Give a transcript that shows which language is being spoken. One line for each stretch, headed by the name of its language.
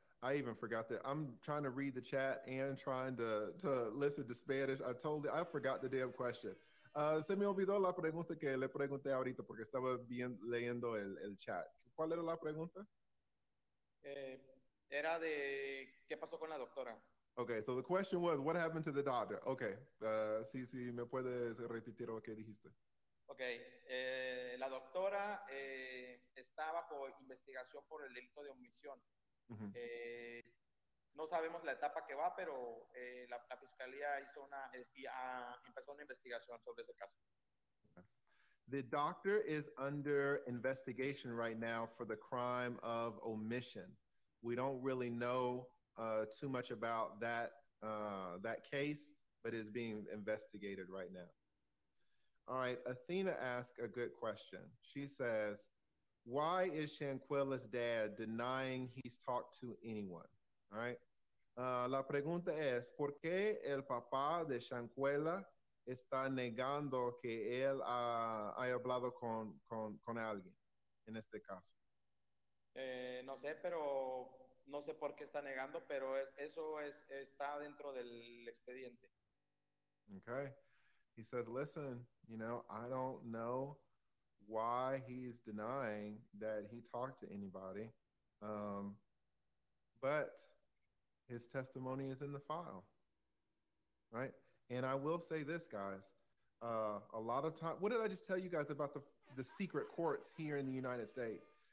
English: I even forgot that I'm trying to read the chat and trying to listen to Spanish. I forgot the damn question.
Spanish: Se me olvidó la pregunta que le pregunté ahorita porque estaba bien leyendo el chat. ¿Cuál era la pregunta? Era de qué pasó con la doctora.
English: Okay, so the question was, what happened to the doctor?
Spanish: Okay, sí, me puedes repetir lo que dijiste. Okay, la doctora está bajo investigación por el delito de omisión. Uh-huh. No sabemos la etapa que va, pero la fiscalía empezó una investigación sobre ese caso.
English: The doctor is under investigation right now for the crime of omission. We don't really know too much about that that case, but it's being investigated right now. All right, Athena asked a good question. She says, why is Shanquilla's dad denying he's talked to anyone? All right.
Spanish: La pregunta es, ¿por qué el papá de Shanquilla está negando que él haya hablado con alguien en este caso? No sé, pero no sé por qué está negando, pero eso es, está dentro del expediente. Okay.
English: He says, listen, you know, I don't know why he's denying that he talked to anybody, but his testimony is in the file, right? And I will say this, guys, a lot of time, what did I just tell you guys about the secret courts here in the United States?